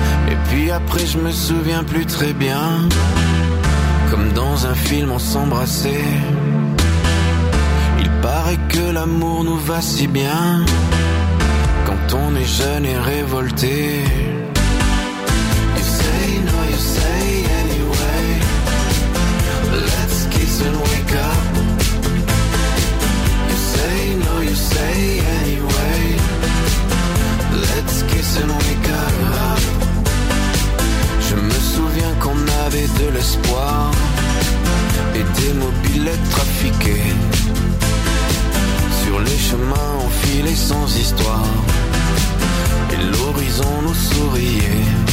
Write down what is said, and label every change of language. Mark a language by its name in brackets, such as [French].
[French] Et puis après je me souviens plus très bien, comme dans un film on s'embrassait. Il paraît que l'amour nous va si bien quand on est jeune et révolté. [English] You say no, you say anyway, let's kiss and wake up. You say no, you say anyway, let's kiss and wake up. [French] Je me souviens qu'on avait de l'espoir et des mobilettes trafiquées. Sur les chemins on filait sans histoire et l'horizon nous souriait.